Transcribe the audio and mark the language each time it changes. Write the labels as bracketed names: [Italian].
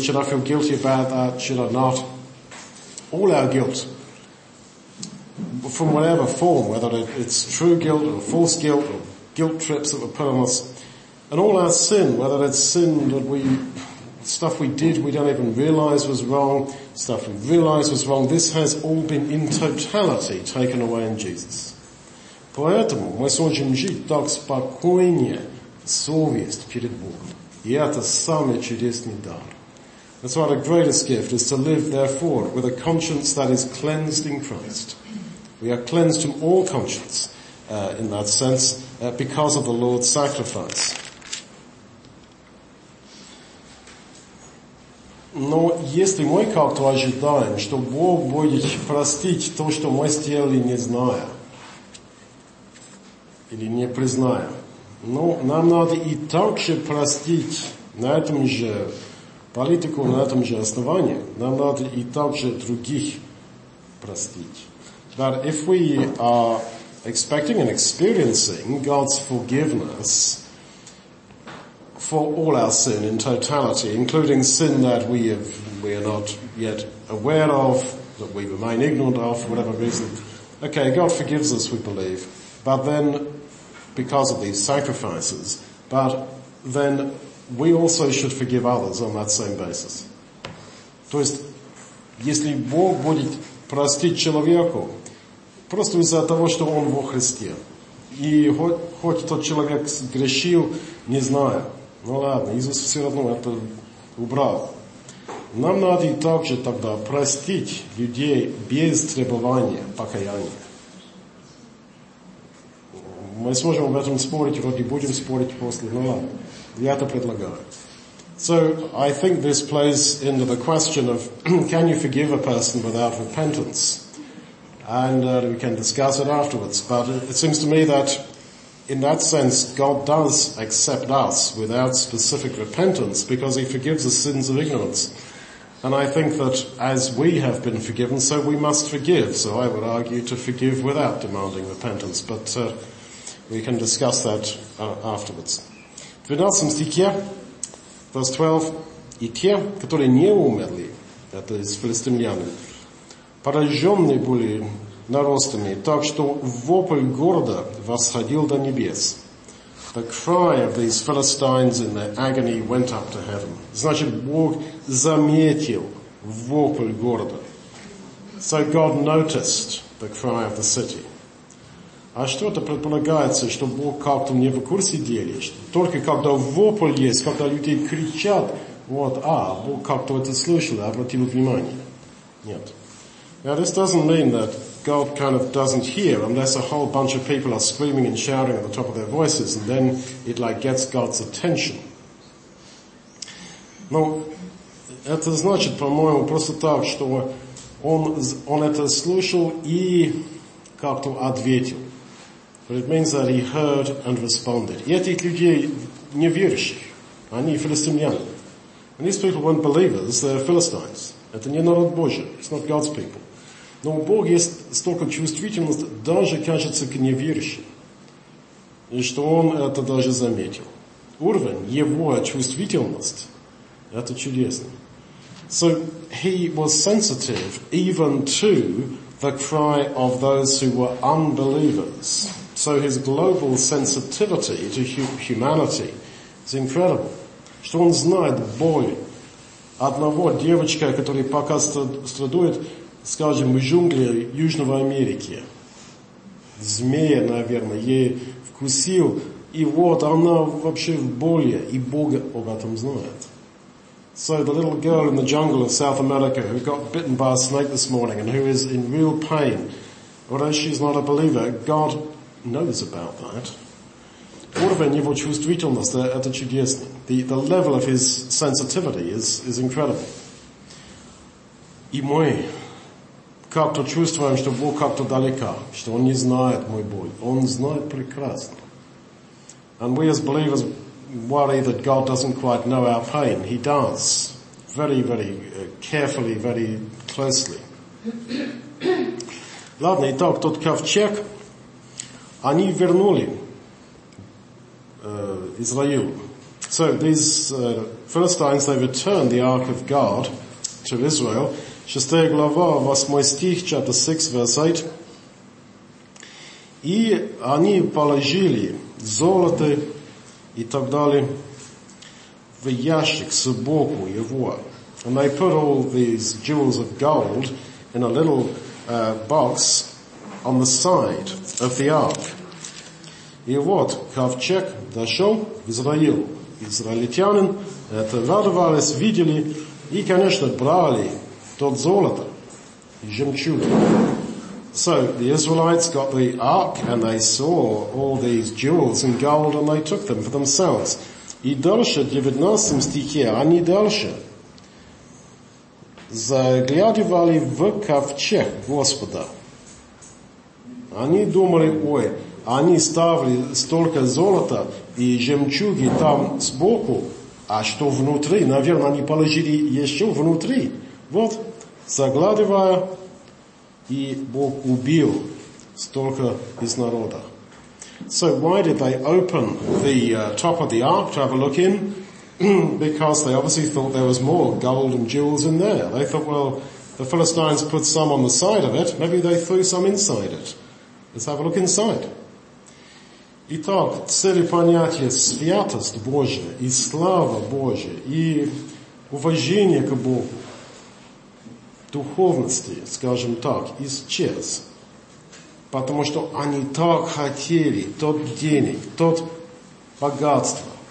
[English] Should I feel guilty about that? Should I not? All our guilt, from whatever form, whether it's true guilt or false guilt or guilt trips that were put on us, and all our sin, whether it's sin that we, stuff we did we don't even realize was wrong, stuff we realized was wrong, this has all been in totality taken away in Jesus. [Russian] Поэтому мы сможем жить так спокойнее, совесть перед Богом. И это самый чудесный дар. [English] That's why the greatest gift is to live, therefore, with a conscience that is cleansed in Christ. We are cleansed from all conscience, in that sense, because of the Lord's sacrifice. [Russian] Но если мы как-то ожидаем, что Бог будет простить то, что мы сделали, не зная, или не призная, ну, нам надо и так же простить на этом же политику, на этом же основании, нам надо и так же других простить. [English] That if we are expecting and experiencing God's forgiveness for all our sin in totality, including sin that we are not yet aware of, that we remain ignorant of for whatever reason. Okay, God forgives us, we believe, but then because of these sacrifices, but then we also should forgive others on that same basis. [Russian] То есть, если Бог будет простить человеку просто из-за того, что он во Христе, и хоть тот человек грешил, не знаю. Ну ладно, Иисус все равно это убрал. Нам надо также тогда простить людей без требования покаяния. Мы сможем об этом спорить, вроде будем спорить после, но я это предлагаю. [English] So I think this plays into the question of can you forgive a person without repentance? And we can discuss it afterwards. But it seems to me that in that sense, God does accept us without specific repentance because he forgives the sins of ignorance. And I think that as we have been forgiven, so we must forgive. So I would argue to forgive without demanding repentance. But we can discuss that afterwards. [Russian] В 12 стихе, [English] verse 12, [Russian] «И те, которые не умерли, это из филистимлянин, пораженные были наростами, так что вопль города восходил до небес». [English] The cry of these Philistines in their agony went up to heaven. [Russian] Значит, Бог заметил вопль города. [English] So God noticed the cry of the city. [Russian] А что это предполагается, что Бог как-то не в курсе дела? Только когда вопль есть, когда люди кричат, вот, а, Бог как-то это слышал и обратил внимание. Нет. [English] Now this doesn't mean that God kind of doesn't hear unless a whole bunch of people are screaming and shouting at the top of their voices and then it like gets God's attention. [Russian] Но это значит, по-моему, просто так, что он это слышал и как-то ответил. [English] But it means that he heard and responded. [Russian] И этих людей неверующих, они филистимляне. [English] And these people weren't believers, they're Philistines. [Russian] Это не народ Божий, [English] it's not God's people. [Russian] Но у Бога есть столько чувствительности, даже кажется к неверующим, и что он это даже заметил. Уровень его чувствительности – это чудесно. [English] So he was sensitive even to the cry of those who were unbelievers. So his global sensitivity to humanity is incredible. [Russian] Что он знает боль одного девочка, который пока страдает, скажем, в джунглях Южной Америки. Змея, наверное, ей вкусил. И вот она вообще в боли. И Бог об этом знает. [English] So the little girl in the jungle of South America who got bitten by a snake this morning and who is in real pain, although she's not a believer, God knows about that. [Russian] Уровень его чувствительности, это чудесно. [English] The level of his sensitivity is incredible. [Russian] И мой... как-то чувствуем, что Бог как-то далека, что Он не знает мой боль. Он знает прекрасно. [English] And we as believers worry that God doesn't quite know our pain. He does. Very, very carefully, very closely. [Russian] Ладно, итак, тот ковчег, они вернули Израилу. [English] So these Philistines, they returned the Ark of God to Israel. [Russian] Шестая глава, восьмой стих, [English] chapter 6, verse 8. [Russian] И они положили золото и так далее в ящик сбоку его. [English] And they put all these jewels of gold in a little box on the side of the ark. [Russian] И вот ковчег дошел в Израил. Израильтянин это радовались, видели и, конечно, брали тот золото и жемчуги. [English] So the Israelites got the ark and they saw all these jewels and gold and they took them for themselves. [Russian] И дальше, 19 стихе, они дальше заглядывали в ковчег Господа. Они думали, ой, они ставили столько золота и жемчуги там сбоку, а что внутри? Наверное, они положили еще внутри. Вот, заглядывая, и Бог убил столько из народа. [English] So why did they open the top of the ark to have a look in? Because they obviously thought there was more gold and jewels in there. They thought, well, the Philistines put some on the side of it. Maybe they threw some inside it. Let's have a look inside. [Russian] Итак, цели понятия святость Божия и слава Божия и уважение к Богу. Духовности, скажем так, исчез. Потому что они так хотели тот денег, тот богатство.